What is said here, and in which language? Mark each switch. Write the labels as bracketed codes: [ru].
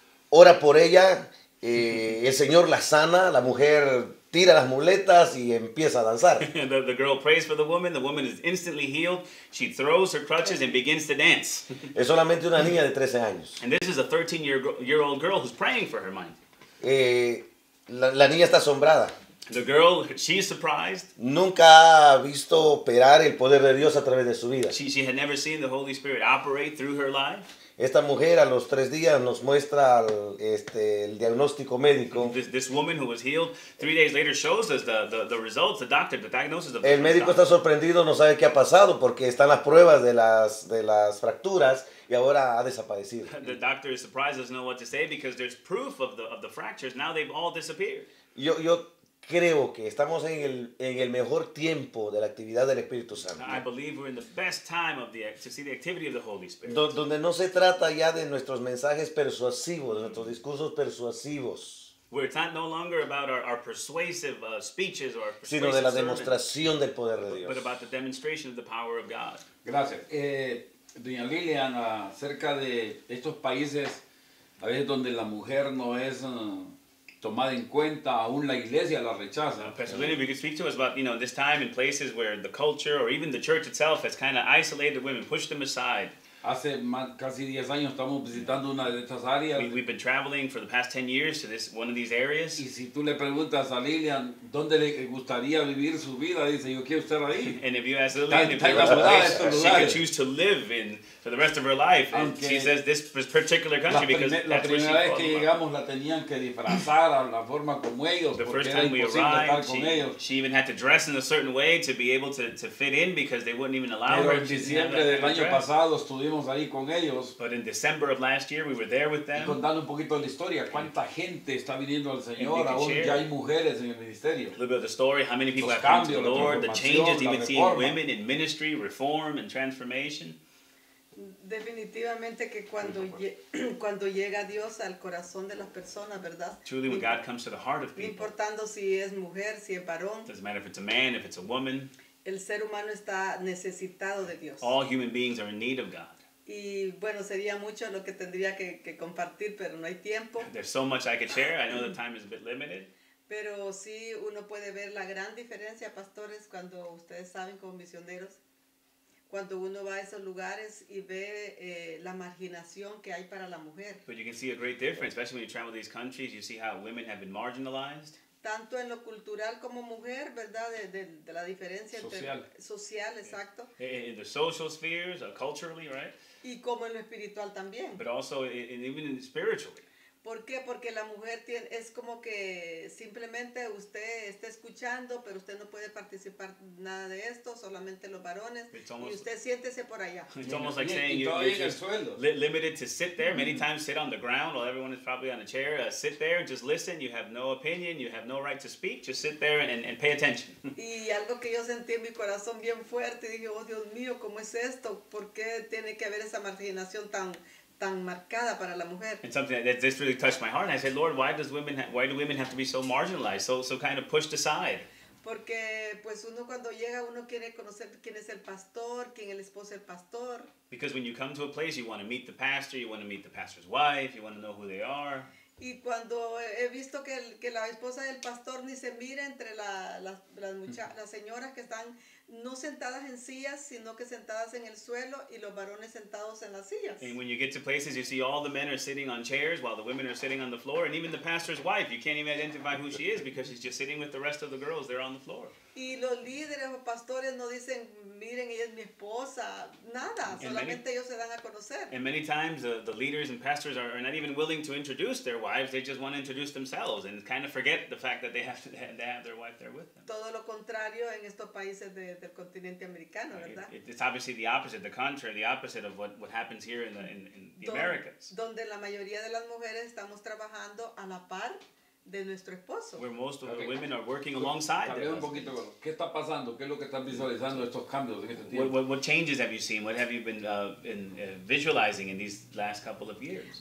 [es] Ora por ella, el Señor la sana, la mujer tira las muletas y empieza a danzar. [en] The girl prays for the woman is instantly healed. She throws her crutches and begins to dance. [es] Es solamente una niña de 13 años. [en] And this is a 13-year-old girl who's praying for her mind. [es] La niña está asombrada. [en] The girl, she's surprised. [es] Nunca ha visto operar el poder de Dios a través de su vida. [en] She had never seen the Holy Spirit operate through her life. [es] Esta mujer a los 3 días nos muestra el diagnóstico médico. [en] This woman who was healed 3 days later shows us the results, the doctor, the diagnosis of. [es] El médico está sorprendido, no sabe qué ha pasado porque están las pruebas de las fracturas. Y ahora ha desaparecido. [en] The doctor is surprised, doesn't know what to say because there's proof of the fractures. Now they've all disappeared. [es] Yo creo que estamos en el mejor tiempo de la actividad del Espíritu Santo. [en] I believe we're in the best time to see the activity of the Holy Spirit. [es] Donde no se trata ya de nuestros mensajes persuasivos, de nuestros discursos persuasivos. [en] Where it's not no longer about our persuasive speeches or persuasive [es] sino de la demostración del poder de Dios. [en] But about the demonstration of the power of God. [es] Gracias. Doña Lilian, acerca de estos países, a veces donde la mujer no es tomada en cuenta, aún la iglesia la rechaza. [en] Pastor Lilian, we could speak to us about, you know, this time in places where the culture or even the church itself has kind of isolated women, pushed them aside. [es] Hace casi 10 años estamos visitando una de estas áreas. [en] We've been traveling for the past 10 years to this one of these areas. [es] Y si tú le preguntas a Lilian dónde le gustaría vivir su vida, dice, yo quiero estar ahí. [en] And if you ask Lilian if she could choose to live in for the rest of her life, and she says this particular country because that's where she called. [es] La primera vez que llegamos la tenían que disfrazar a la forma como ellos, [en] the first time we arrived, she even had to dress in a certain way to be able to fit in because they wouldn't even allow her. [es] Pero en diciembre del año pasado estuvimos ahí con ellos. [en] But in December of last year, we were there with them. [es] Y contando un poquito de la historia, cuánta gente está viniendo al Señor, aún ya hay mujeres en el ministerio. [en] A little bit of the story, how many people have come to the Lord, the changes, even seeing women in ministry, reform and transformation. [es] Definitivamente que cuando cuando llega Dios al corazón de las personas, ¿verdad? [en] Truly when God comes to the heart of people. [es] No importando si es mujer, si es varón. [en] It doesn't matter if it's a man, if it's a woman. [es] El ser humano está necesitado de Dios. [en] All human beings are in need of God. [es] Y bueno, sería mucho lo que tendría que compartir, pero no hay tiempo. [en] There's so much I could share. I know the time is a bit limited. [es] Pero sí, uno puede ver la gran diferencia, pastores, cuando ustedes saben como misioneros. Cuando uno va a esos lugares y ve la marginación que hay para la mujer. [en] But you can see a great difference, especially when you travel to these countries, you see how women have been marginalized. [es] Tanto en lo cultural como mujer, ¿verdad? De la diferencia social. [en] Social, yeah. Exacto. In the social spheres, culturally, right? [es] Y como en lo espiritual también. [en] But also, even in spiritually. [es] ¿Por qué? Porque la mujer tiene, es como que simplemente usted está escuchando, pero usted no puede participar nada de esto, solamente los varones, [en] almost, [es] y usted siéntese por allá. [en] It's almost like saying you're limited to sit there, many times sit on the ground while everyone is probably on a chair, sit there, just listen, you have no opinion, you have no right to speak, just sit there and pay attention. [es] Y algo que yo sentí en mi corazón bien fuerte, dije, oh Dios mío, ¿cómo es esto? ¿Por qué tiene que haber esa marginación tan marcada para la mujer? [en] And something that this really touched my heart. And I said, Lord, why do women have to be so marginalized, so kind of pushed aside? [es] Porque pues uno cuando llega, uno quiere conocer quién es el pastor, quién es el esposo del pastor. [en] Because when you come to a place, you want to meet the pastor, you want to meet the pastor's wife, you want to know who they are. [es] Y cuando he visto que la esposa del pastor ni se mira entre las señoras que están no sentadas en sillas, sino que sentadas en el suelo y los varones sentados en las sillas. [en] And when you get to places, you see all the men are sitting on chairs while the women are sitting on the floor. And even the pastor's wife, you can't even identify who she is because she's just sitting with the rest of the girls there on the floor. [es] Y los líderes o pastores no dicen, miren, ella es mi esposa. Nada, solamente ellos se dan a conocer. [en] And many times the leaders and pastors are not even willing to introduce their wives. They just want to introduce themselves and kind of forget the fact that they have their wife there with them. [es] Todo lo contrario en estos países del continente americano, ¿verdad? [en] It's obviously the opposite, the contrary, the opposite of what happens here in the Americas. [es] Donde la mayoría de las mujeres estamos trabajando a la par de nuestro esposo. [en] Where most of the women are working alongside [es] them. Un poquito, ¿qué está pasando? ¿Qué es lo que están visualizando estos cambios en este tiempo? [en] What changes have you seen? What have you been visualizing in these last couple of years?